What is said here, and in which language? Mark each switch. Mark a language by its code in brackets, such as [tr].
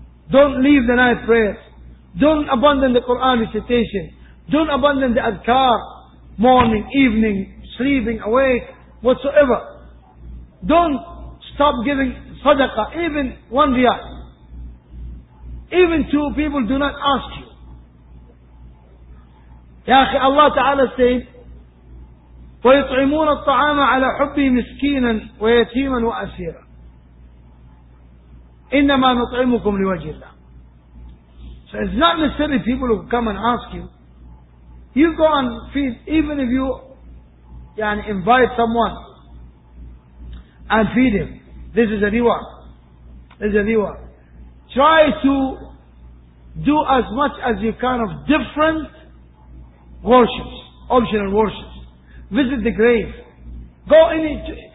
[en] Don't leave the night prayers. Don't abandon the Quran recitation. Don't abandon the adhkar. Morning, evening, sleeping, awake, whatsoever. Don't stop giving sadaqah, even one riyal. Even two people do not ask you. [ar] Ya akhi, [en] Allah Ta'ala said, [ar] وَيُطْعِمُونَ الطَّعَامَ عَلَى حُبِّهِ مِسْكِينًا وَيَتِيمًا وَأَسِيرًا إِنَّمَا نُطْعِمُكُمْ لِوَجْهِ اللَّهِ. [en] So it's not necessarily people who come and ask you. You go and feed, even if you invite someone and feed him. This is a reward. This is a reward. Try to do as much as you can of different worships, optional worships. Visit the grave. Go in it.